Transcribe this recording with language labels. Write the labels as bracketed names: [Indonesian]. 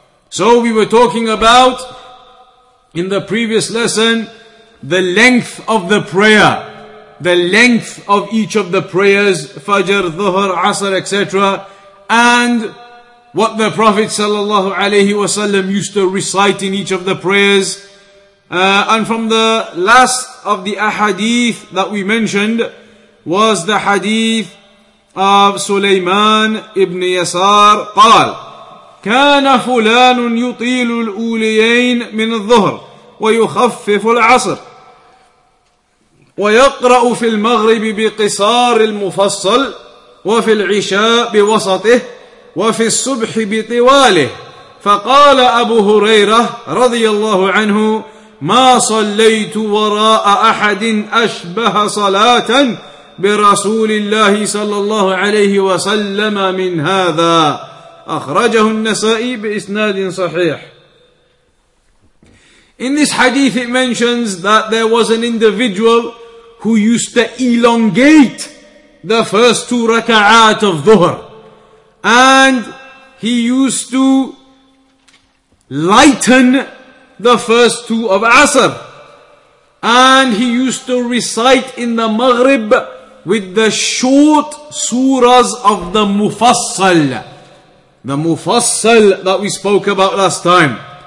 [English] So we were talking about, in the previous lesson, the length of the prayer, the length of each of the prayers, Fajr, Dhuhr, Asr, etc., and what the Prophet sallallahu alaihi wasallam used to recite in each of the prayers. And from the last of the ahadith that we mentioned was the hadith of Sulaiman ibn Yasar, [Arabic] قال كان فلان يطيل الأوليين من الظهر ويخفف العصر ويقرأ في المغرب بقصار المفصل وفي العشاء بوسطه وفي الصبح بطواله فقال أبو هريرة رضي الله عنه ما صليت وراء أحد أشبه صلاة برسول الله صلى الله عليه وسلم من هذا أخرجه النسائي بإسناد صحيح. [English] In this hadith it mentions that there was an individual who used to elongate the first 2 raka'at of dhuhr, and he used to lighten the first 2 of asr, and he used to recite in the maghrib with the short surahs of the mufassal, the mufassal that we spoke about last time.